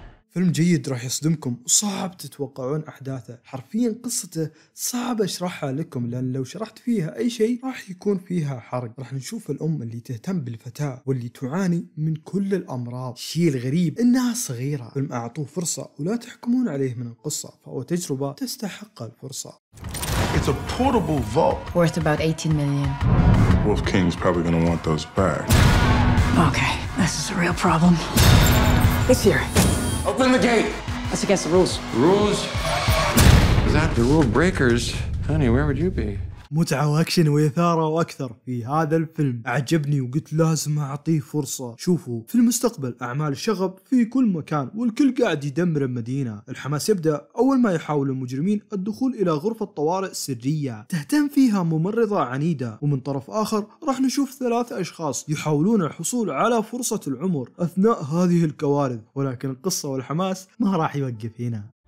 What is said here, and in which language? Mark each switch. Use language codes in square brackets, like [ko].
[ar] فيلم جيد راح يصدمكم وصعب تتوقعون أحداثه، حرفياً قصته صعب أشرحها لكم لأن لو شرحت فيها أي شيء راح يكون فيها حرق. راح نشوف الأم اللي تهتم بالفتاة واللي تعاني من كل الأمراض. الشيء الغريب إنها صغيرة. فيلم أعطوه فرصة ولا تحكمون عليه من القصة، فهو تجربة تستحق الفرصة. [en] It's a portable vault worth about 18 million. Wolf King's probably gonna want those back. Okay, this is a real problem. It's here. Open the gate. That's against the rules. Rules? Is that the rule breakers? Honey, where would you be? [ar] متعة وأكشن وإثارة وأكثر في هذا الفيلم. أعجبني وقلت لازم أعطيه فرصة. شوفوا في المستقبل أعمال الشغب في كل مكان والكل قاعد يدمر المدينة. الحماس يبدأ أول ما يحاول المجرمين الدخول إلى غرفة طوارئ سرية تهتم فيها ممرضة عنيدة، ومن طرف آخر راح نشوف 3 أشخاص يحاولون الحصول على فرصة العمر أثناء هذه الكوارث، ولكن القصة والحماس ما راح يوقف هنا.